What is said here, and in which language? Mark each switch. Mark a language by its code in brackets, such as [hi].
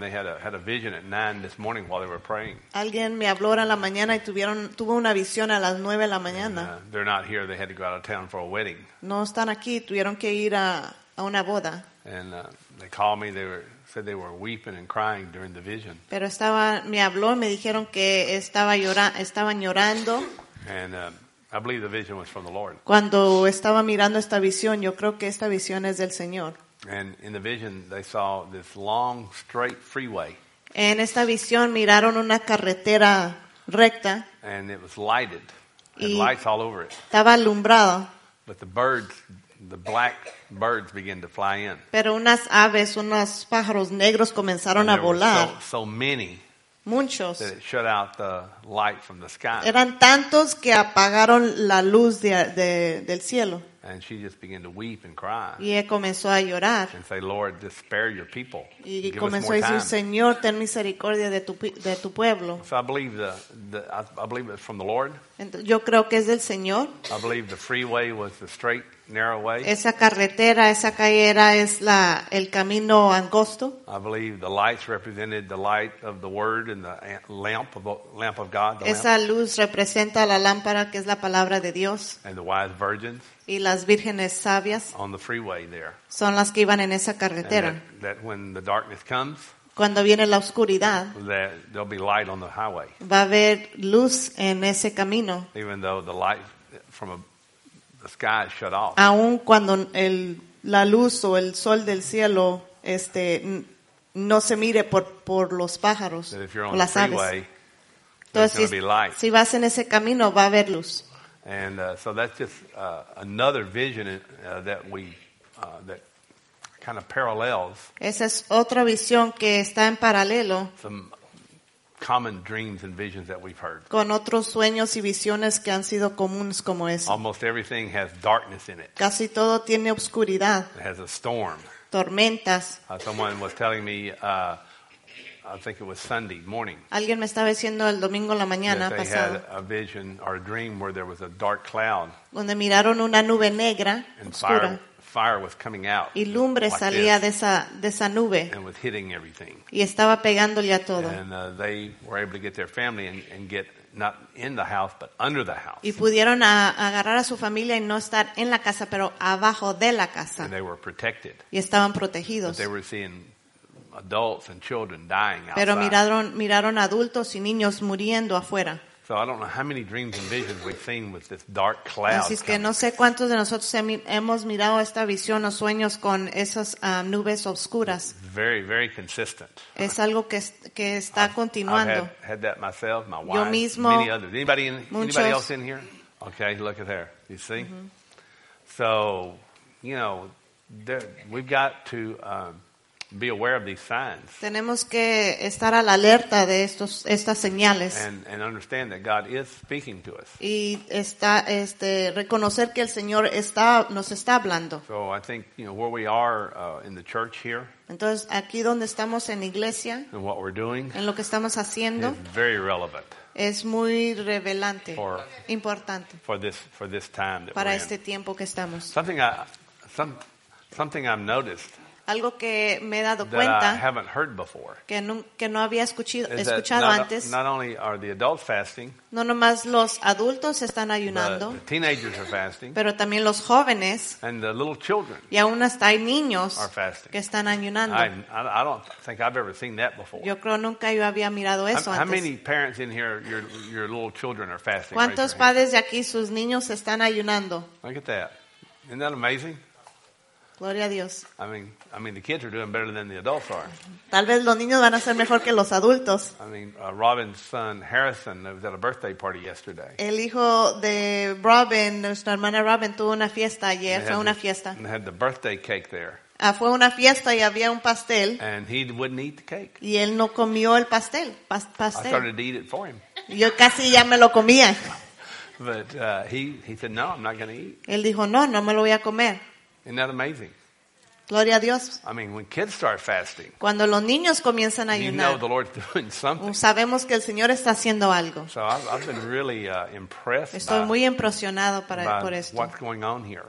[en] They had a vision at 9 this morning while they were praying. [es] Alguien me habló a la mañana y tuvo una visión a las 9 de la mañana. [en] They're not here. They had to go out of town for a wedding. [es] No están aquí. Tuvieron que ir a una boda. [en] And they called me. Said they were weeping and crying during the vision. [es] Pero estaba, me habló, me dijeron que estaban llorando. [en] And I believe the vision was from the Lord. [es] Cuando estaba mirando esta visión, yo creo que esta visión es del Señor. [en] And in the vision, they saw this long, straight freeway. [es] En esta visión miraron una carretera recta. [en] And it was lighted. And lights all over it. [es] Estaba alumbrado. [en] But the birds. The black birds began to fly in. [es] Pero unas aves, unos pájaros negros comenzaron a volar. [en] So many. [es] Muchos. [en] That it shut out the light from the sky. [es] Eran tantos que apagaron la luz del cielo. [en] And she just began to weep and cry. [es] Y ella comenzó a llorar. [en] And say, Lord, just spare your people. [es] Y comenzó a decir, Señor, ten misericordia de tu pueblo. [en] So I believe I believe it's from the Lord. [es] Yo creo que es del Señor. [en] I believe the freeway was the straight, narrow way. [es] Esa carretera, esa calle es el camino angosto. [en] I believe the lights represented the light of the Word and the lamp of God. [es] Esa luz representa la lámpara que es la palabra de Dios. [en] And the wise virgins. [es] Y las vírgenes sabias [en] on the freeway there. [es] Son las que iban en esa carretera. [en] That when the darkness comes, [es] cuando viene la oscuridad, [en] that there'll be light on the highway. [es] Va a haber luz en ese camino. [en] Even though the light from the sky is shut off. [es] Aun cuando la luz o el sol del cielo no se mire por los pájaros o las [en] freeway, [es] aves. [en] Entonces, there's gonna be light. [es] Si vas en ese camino, va a haber luz. [en] And so that's just another vision that kind of parallels. [es] Esa es otra visión que está en paralelo. [en] Some common dreams and visions that we've heard. [es] Con otros sueños y visiones que han sido comunes como ese. [en] Almost everything has darkness in it. [es] Casi todo tiene oscuridad. [en] It has a storm. [es] Tormentas. [en] Someone was telling me. I think it was Sunday morning. [es] Alguien me estaba diciendo el domingo la mañana pasado. [en] They had a vision or a dream where there was a dark cloud. [es] Donde miraron una nube negra, [en] and [es] oscura. [en] Fire was coming out. [es] Y lumbre [en] like [es] salía [en] this, [es] de esa nube. [en] And was hitting everything. [es] Y estaba pegándole a todo. [en] And they were able to get their family and get not in the house, but under the house. [es] Y pudieron agarrar a su familia y no estar en la casa, pero abajo de la casa. [en] And they were protected. [es] Y estaban protegidos. [en] But they were seeing adults and children dying outside. [es] Pero miraron adultos y niños muriendo afuera. [en] So I don't know how many dreams and visions we've seen with this dark cloud. [es] Así es que no sé cuántos de nosotros hemos mirado esta visión o sueños con esas nubes oscuras. [en] Very, very consistent. [es] Es algo que está continuando. [en] I've had that myself, my wife, [es] yo mismo, [en] many others. Anybody else in here? Okay, look at there. You see? So, you know, we've got to be aware of these signs. [es] Tenemos que estar a la alerta de estas señales. [en] And understand that God is speaking to us. [es] Y reconocer que el Señor nos está hablando. [en] So I think, you know, where we are in the church here. [es] Entonces aquí donde estamos en iglesia. [en] And what we're doing. [es] En lo que estamos haciendo. [en] Is very relevant. [es] Es muy relevante. Importante. [en] For this time that [es] para [en] we're [es] este [en] in. [es] Tiempo que estamos. [en] Something I've noticed. [es] Algo que me he dado cuenta que no había escuchado antes. [en] Not only are the adults fasting, [es] no nomás los adultos están ayunando, [en] but the teenagers are fasting, [es] pero también los jóvenes [en] and the little children, [es] y aún hasta hay niños [en] are fasting. [es] Que están ayunando. [en] I don't think I've ever seen that before. [es] Yo creo nunca yo había mirado eso antes. [en] How many parents in here, your little children are fasting? [es] ¿Cuántos padres de aquí sus niños están ayunando? [en] Look at that. Isn't that amazing? [es] Gloria a Dios. [en] I mean, the kids are doing better than the adults are. [es] Tal vez los niños van a ser mejor que los adultos. [en] I mean, Robin's son Harrison was at a birthday party yesterday. [es] El hijo de Robin, nuestra hermana Robin, tuvo una fiesta ayer. Fue una fiesta. [en] And had the birthday cake there. [es] Fue una fiesta y había un pastel. [en] And he wouldn't eat the cake. [es] Y él no comió el pastel. Pastel. [en] I started to eat it for him. [es] Yo casi ya me lo comía. [en] But he said, "No, I'm not going to eat." [es] Él dijo, "No me lo voy a comer." [en] Isn't that amazing? [es] Gloria a Dios. [en] I mean, when kids start fasting, [es] cuando los niños comienzan a ayunar, [en] you know the Lord's doing something. [es] Sabemos que el Señor está haciendo algo. [en] So I've been really impressed. [es] Estoy muy impresionado por esto. [en] What's going on here?